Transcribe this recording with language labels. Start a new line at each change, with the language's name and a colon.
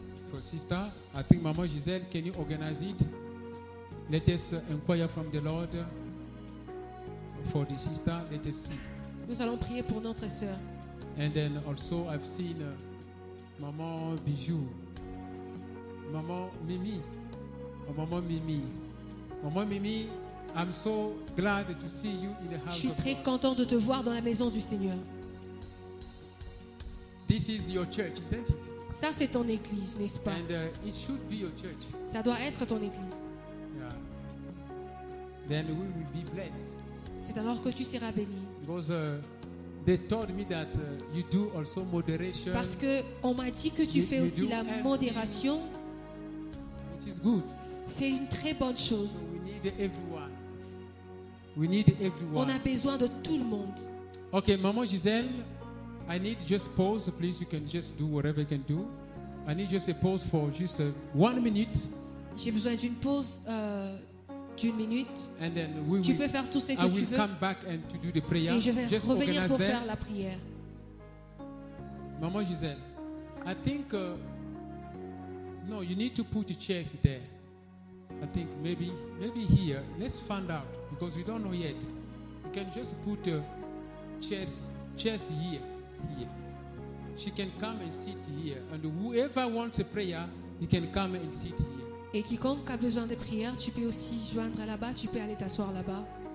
English: for sister I think Mama Giselle can you organize it. Let us inquire from the Lord for the sister. Let us see.
French: Nous allons prier pour notre sœur.
English: And then also I've seen Maman Bijou. Maman Mimi. Oh, Maman Mimi. Maman Mimi, I'm so glad to see you in the house.
French: Je suis très content de te voir dans la maison du Seigneur.
English: This is your church, isn't it?
French: Ça c'est ton église, n'est-ce pas?
English: And it should be your church.
French: Ça doit être ton église.
English: Then we will be blessed.
French: C'est alors que tu seras béni.
English: Because they told me that you do also moderation.
French: Parce que on m'a dit que tu fais aussi la modération.
English: It is good.
French: C'est une très bonne chose.
English: We need everyone. We need everyone.
French: On a besoin de tout le monde.
English: Okay, Maman Giselle, I need just pause, please. You can just do whatever you can do. I need just a pause for just 1 minute.
French: J'ai besoin d'une pause d'une minute.
English: And then we
French: tu peux faire tout ce que
English: I
French: tu veux.
English: Come back and to do the prayer.
French: Et je vais just revenir pour faire la prière.
English: Maman Giselle, I think no, you need to put the chairs there. I think maybe here. Let's find out because we don't know yet. You can just put chairs here. She can come and sit here. And whoever wants a prayer, you can come and sit here.
French: Et quiconque a besoin de prière, tu peux aussi joindre là-bas, tu peux aller t'asseoir là-bas.